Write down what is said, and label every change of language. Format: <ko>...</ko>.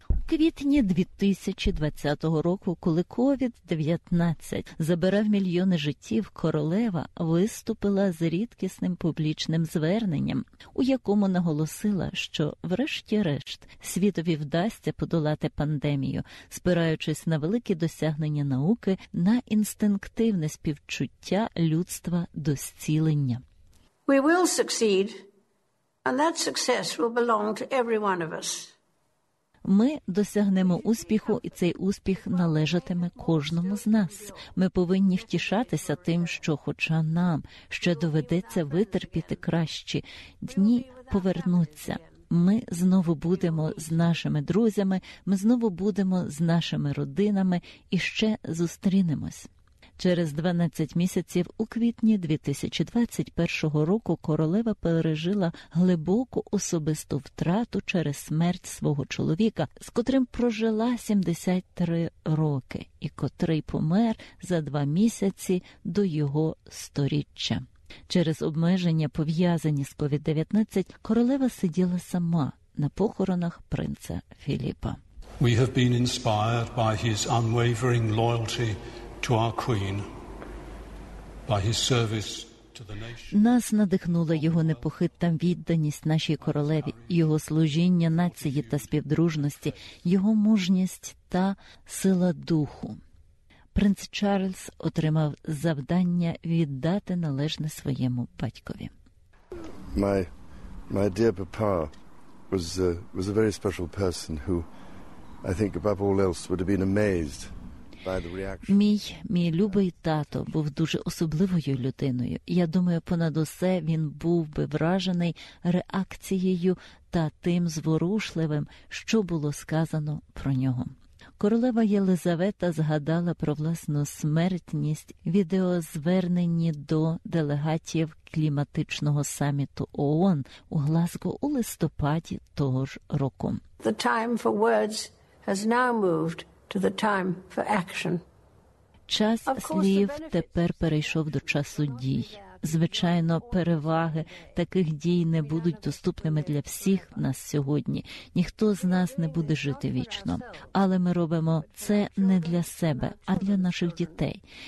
<uk>У квітні 2020 року, коли COVID-19 забирав мільйони життів, королева виступила з рідкісним публічним зверненням, у якому наголосила, що врешті-решт світові вдасться подолати пандемію, спираючись на великі досягнення науки, на інстинктивне співчуття людства до зцілення.</uk> <en>We will succeed, and that success will belong to every one of us.</en> <uk>Ми досягнемо успіху, і цей успіх належатиме кожному з нас. Ми повинні втішатися тим, що хоча нам ще доведеться витерпіти кращі дні, повернуться. Ми знову будемо з нашими друзями, ми знову будемо з нашими родинами і ще зустрінемось. Через 12 місяців у квітні 2021 року королева пережила глибоку особисту втрату через смерть свого чоловіка, з котрим прожила 73 роки, і котрий помер за 2 місяці до його 100-річчя. Через обмеження, пов'язані з COVID-19, королева сиділа сама на похоронах принца Філіпа.</uk> <en>We have been inspired by his unwavering loyalty to our queen, by his service to the nation.</en> <uk>Нас надихнула його непохитна відданість нашій королеві, його служіння нації та співдружності, його мужність та сила духу. Принц Чарльз отримав завдання віддати належне своєму батькові.</uk> <en>My dear papa was a very special person who I think above all else would have been amazed.</en> <uk>Мій любий тато був дуже особливою людиною. Я думаю, понад усе він був би вражений реакцією та тим зворушливим, що було сказано про нього. Королева Єлизавета згадала про власну смертність в відеозверненні до делегатів кліматичного саміту ООН у Глазго у листопаді того ж року.</uk> <en>The time for words has now moved to the time for action.</en> <uk>Час слів тепер перейшов до часу дій. Звичайно, переваги таких дій не будуть доступними для всіх нас сьогодні. Ніхто з нас не буде жити вічно. Але ми робимо це не для себе, а для наших дітей.</uk>